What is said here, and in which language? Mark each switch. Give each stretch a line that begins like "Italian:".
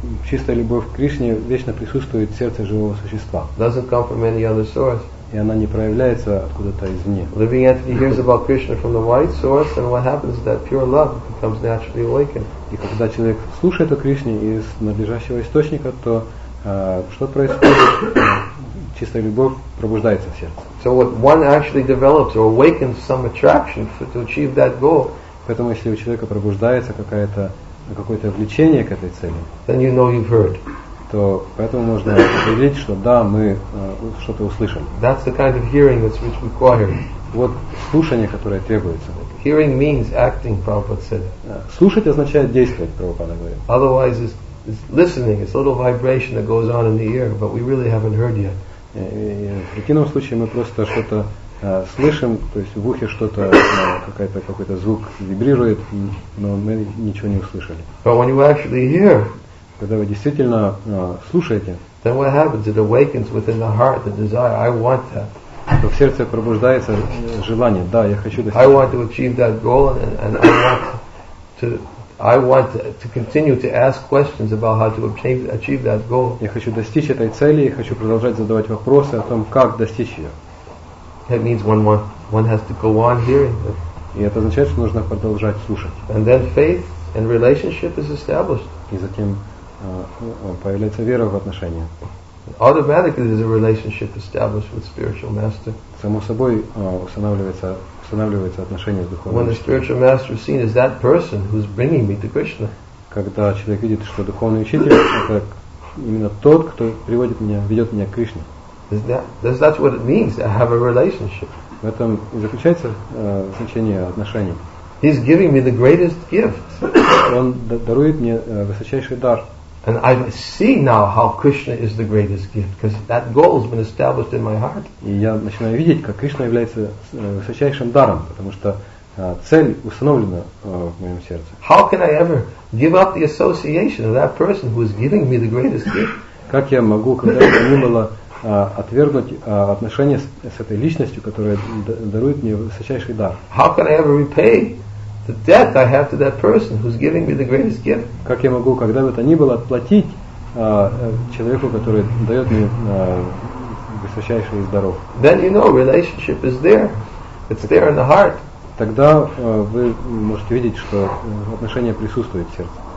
Russian: Чистая любовь к Кришне вечно присутствует в сердце живого существа.
English: Doesn't come from any other source.
Russian: И она не проявляется откуда-то извне.
English: Living entity hears about Krishna from the white source, and what happens is that pure love becomes naturally awakened.
Russian: И когда человек слушает о Кришне из надлежащего источника, то что происходит? Чистая любовь пробуждается в сердце.
English: So what one actually develops or awakens some attraction to achieve that goal.
Russian: Поэтому если у человека пробуждается какое-то влечение к этой цели,
English: then you know you've heard.
Russian: То поэтому можно определить, что да, мы что-то услышали.
English: That's the kind of hearing that's which required.
Russian: Вот слушание, которое требуется.
English: Hearing means acting, Prabhupada said.
Russian: Слушать означает действовать, Прабхупада говорит.
English: Otherwise it's listening, it's a little vibration that goes on in the ear, but we really haven't heard yet.
Russian: В противном случае мы просто что-то слышим, то есть в ухе что-то, какой-то звук вибрирует, но мы ничего не услышали.
English: But when you actually hear,
Russian: когда вы действительно слушаете,
English: then what happens? It awakens within the heart the desire, I want that.
Russian: То в сердце пробуждается желание, да, я хочу достичь.
English: I want to achieve that goal and I want to I want to continue to ask questions about how to obtain, achieve that goal.
Russian: Я хочу достичь этой цели, я хочу продолжать задавать вопросы о том, как достичь ее.
English: That means one has to go on hearing.
Russian: И это означает, что нужно продолжать слушать.
English: And then faith and relationship is established.
Russian: И затем появляется вера в отношения.
English: Automatically there's a relationship established with spiritual master.
Russian: Само собой устанавливается отношение с духовным.
English: When the spiritual master is seen as that person who's bringing me to Krishna.
Russian: Когда человек видит, что духовный учитель это именно тот, кто приводит меня, ведет меня к Кришне.
English: That's what it means to have a relationship.
Russian: В этом и заключается значение отношений.
English: He's giving me the greatest gift.
Russian: Он дарует мне высочайший дар.
English: And I see now how Krishna is the greatest gift, because that goal has been established in my heart.
Russian: И я начинаю видеть, как Кришна является высочайшим даром, потому что цель установлена в моем сердце.
English: How can I ever give up the association of that person who is giving me the greatest gift?
Russian: Как я могу, когда бы ни было, отвергнуть отношения с этой личностью, которая дарует мне высочайший дар?
English: How can I ever repay the debt I have to that person who's giving me the greatest gift?
Russian: Как я могу, когда бы то ни было, отплатить человеку, который дает мне высочайший из даров?
English: Then you know relationship is there. It's there in the heart.
Russian: Тогда вы можете видеть, что отношение присутствует в сердце.